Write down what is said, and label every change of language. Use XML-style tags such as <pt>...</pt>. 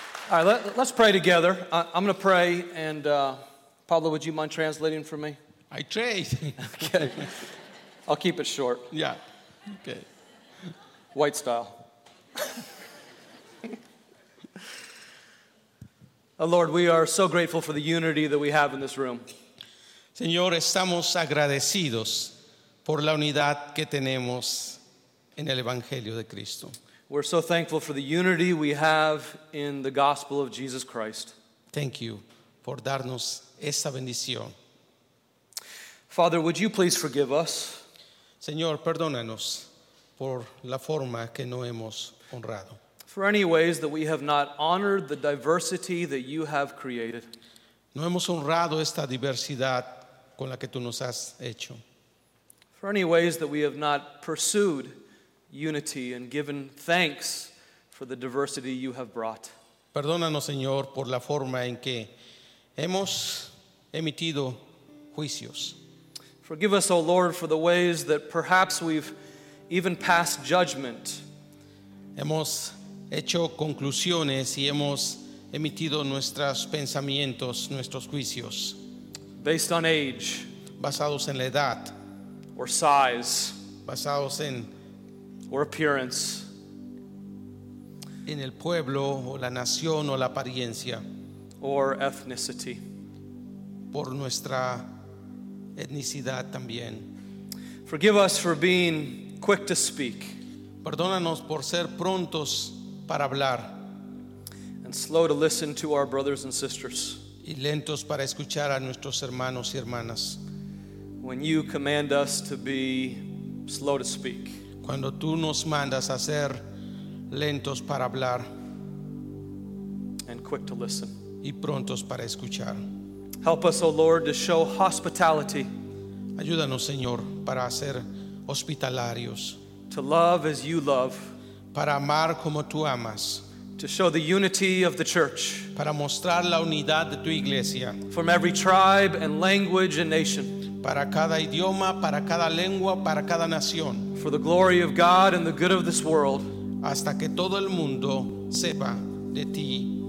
<en>All right, let's pray together. I'm going to pray, and Pablo, would you mind translating for me? I trade. Okay. I'll keep it short. Yeah. Okay. White style. Oh, Lord, we are so grateful for the unity that we have in this room.</en> <es>Señor, estamos agradecidos por la unidad que tenemos en el Evangelio de Cristo.</es> <en>We're so thankful for the unity we have in the gospel of Jesus Christ. Thank you for</en> <es>darnos esta bendición.</es> <en>Father, would you please forgive us?</en> <es>Señor, perdónanos por la forma que no hemos honrado.</es> <en>For any ways that we have not honored the diversity that you have created.</en> <es>No hemos honrado esta diversidad con la que tú nos has hecho.</es> <en>For any ways that we have not pursued unity and given thanks for the diversity you have brought.</en> <es>Perdónanos, Señor, por la forma en que hemos emitido juicios.</es> <en>Forgive us, O Lord, for the ways that perhaps we've even passed judgment.</en> <es>Hemos hecho conclusiones y hemos emitido nuestros pensamientos, nuestros juicios.</es> <en>Based on age.</en> <es>Basados en la edad.</es> <en>Or size.</en> <es>Basados en</es> <en>or appearance.</en> <es>En el pueblo, o la nación, o la apariencia.</es> <en>Or ethnicity.</en> <es>Por nuestra etnicidad también.</es> <en>Forgive us for being quick to speak.</en> <es>Perdónanos por ser prontos para hablar.</es> <en>And slow to listen to our brothers and sisters.</en> <es>Y lentos para escuchar a nuestros hermanos y hermanas.</es> <en>When you command us to be slow to speak.</en> <es>Cuando tú nos mandas a ser lentos para hablar</es> <en>and quick to listen.</en> <es>Y prontos para escuchar.</es> <en>Help us, O Lord, to show hospitality.</en> <es>Ayúdanos, Señor, para ser hospitalarios.</es> <en>To love as you love.</en> <es>Para amar como tú amas.</es> <en>To show the unity of the church.</en> <es>Para mostrar la unidad de tu iglesia.</es> <en>From every tribe and language and nation.</en> <es>Para cada idioma, para cada lengua, para cada nación.</es> <en>For the glory of God and the good of this world.</en> <es>Hasta que todo el mundo sepa de ti</es>